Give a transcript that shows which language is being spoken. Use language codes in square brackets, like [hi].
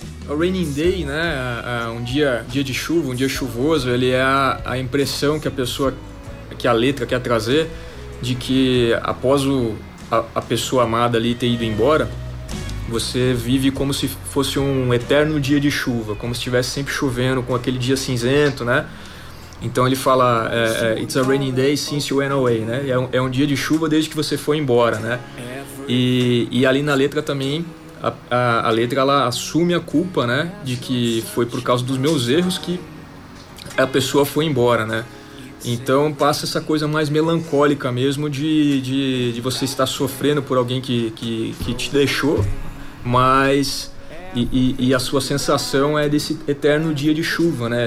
[pt] O Raining Day, né, um dia de chuva, um dia chuvoso, ele é a impressão que a pessoa, que a letra quer trazer, de que após a pessoa amada ali ter ido embora, você vive como se fosse um eterno dia de chuva, como se estivesse sempre chovendo com aquele dia cinzento, né? Então ele fala, [en] it's a raining day since you went away, né? [pt] É um dia de chuva desde que você foi embora, né? E ali na letra também, A letra, ela assume a culpa, né, de que foi por causa dos meus erros que a pessoa foi embora, né? Então passa essa coisa mais melancólica mesmo de você estar sofrendo por alguém que te deixou, mas e a sua sensação é desse eterno dia de chuva, né?